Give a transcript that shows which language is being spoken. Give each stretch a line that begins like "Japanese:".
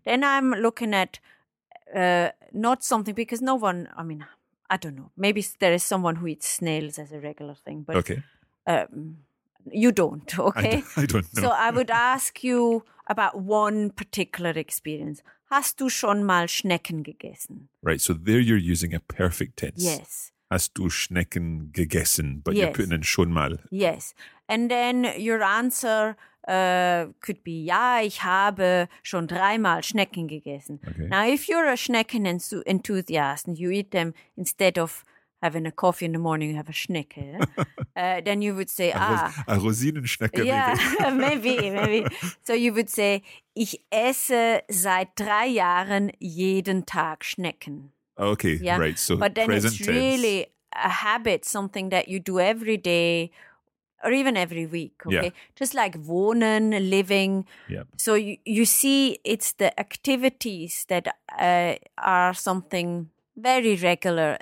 English: Then I'm looking at not something, because no one, I mean, I don't know. Maybe there is someone who eats snails as a regular thing. But, okay. You don't, okay? I don't know. So I would ask you about one particular experience.
German: Hast du schon mal Schnecken gegessen?
English: Right, so there you're using a perfect tense. Yes.
German: Hast du Schnecken gegessen?
English: But you're putting in
German: schon mal.
English: Yes. And then your answer could be,
German: ja, ich habe schon dreimal Schnecken gegessen.
English: Okay. Now, if you're a Schnecken enthusiast and you eat them instead of having a coffee in the morning, you have a Schnecke, then you would say, a Rosinenschnecke. Yeah, maybe. So you would say,
German: ich esse seit 3 Jahren jeden Tag Schnecken.
English: Okay, yeah. Right. So, but then present it's tense. Really a habit, something that you do every day or even every week. Okay, yeah. Just like wohnen, living. Yeah. So you see, it's the activities that are something very regular.